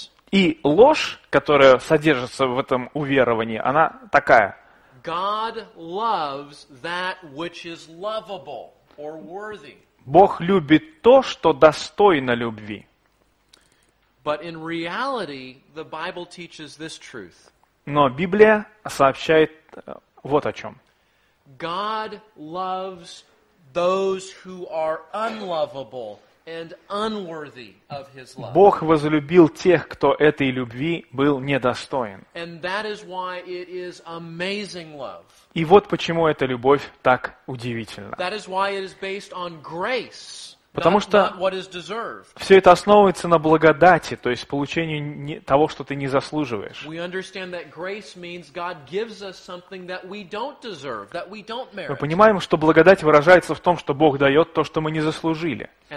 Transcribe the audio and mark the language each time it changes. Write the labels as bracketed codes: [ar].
[ru] И ложь, которая содержится в этом уверовании, она такая. [en] God loves that which is lovable or worthy. [ru] Бог любит то, что достойно любви. [en] But in reality, the Bible teaches this truth. [ru] Но Библия сообщает вот о чем. [en] God loves those who are unlovable and unworthy of his love. [ru] Бог возлюбил тех, кто этой любви был недостоин. [en] And that is why it is amazing love. [ru] И вот почему эта любовь так удивительна. [en] That is why it is based on grace. [ru] Потому что все это основывается на благодати, то есть получению того, что ты не заслуживаешь. Мы понимаем, что благодать выражается в том, что Бог дает то, что мы не заслужили.